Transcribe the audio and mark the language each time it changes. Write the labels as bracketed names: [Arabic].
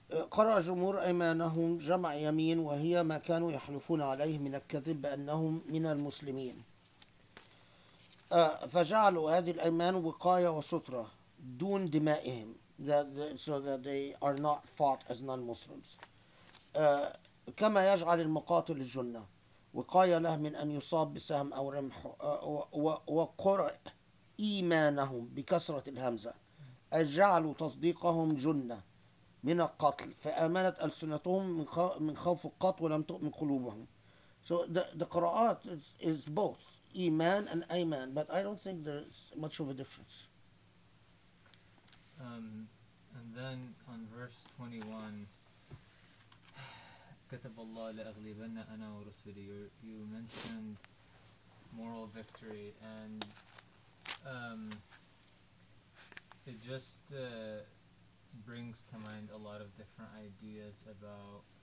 [Arabic] قرأ جمهور أيمانهم جمع يمين وهي ما كانوا يحلفون عليه من الكذب بأنهم من المسلمين. فجعلوا هذه الأيمان وقاية وسترة دون دمائهم. [English] So that they are not fought as non-Muslims. [Arabic] كما يجعل المقاتل الجنة وقاية له من أن يصاب بسهم أو رمح وقرأ إيمانهم بكسرة الهمزة أجعلوا تصديقهم جنة من القتل فآمنت ألسنتهم من خوف القتل ولم تؤمن قلوبهم. [English] So the Quran is both Iman and Ayman, but I don't think there's much of a difference. And then on verse 21, [Arabic] كتب الله لأغلبن أنا ورسولي, [English] you mentioned moral victory, and it just brings to mind a lot of different ideas about,